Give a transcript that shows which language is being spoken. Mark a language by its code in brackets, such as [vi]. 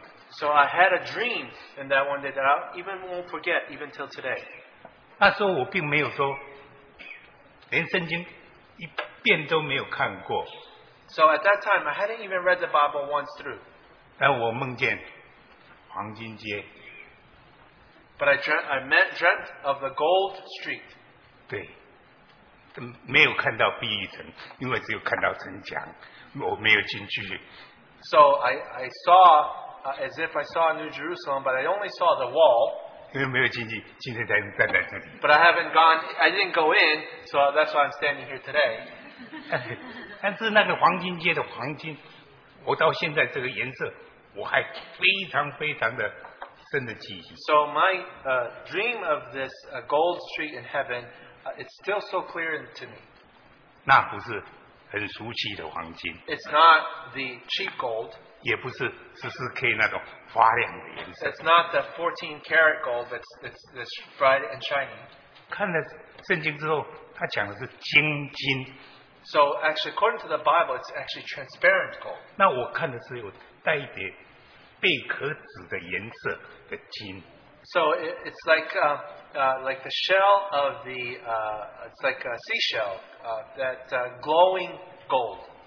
[en] so I had a dream in that one day that I even won't forget even till today. [zh] 那时候我并没有说, 连圣经, [en] so at that time, I hadn't even read the Bible once through. But I dreamt of the gold street. [zh] 对,没有看到碧玉城,因为只有看到城墙,我没有进去. [en] So I saw, as if I saw New Jerusalem, but I only saw the wall. [zh] 因为没有进去,今天才站在这里. [en] But I haven't gone, I didn't go in, so that's why I'm standing here today. [zh] 但是那个黄金街的黄金, 我到现在这个颜色, 我还非常非常的深的记忆. [en] So my dream of this gold street in heaven, it's still so clear to me. [zh] 那不是很俗气的黄金. [en] It's not the cheap gold. [zh] 也不是14K那种发亮的颜色. [en] It's not the 14 karat gold that's bright and shiny. [zh] 看了圣经之后, 它讲的是晶晶. [en] So actually, according to the Bible, it's actually transparent gold. [zh] 那我看的是有带一点贝壳紫的颜色的金. [en] So it's like the shell of the it's like a seashell that glowing gold.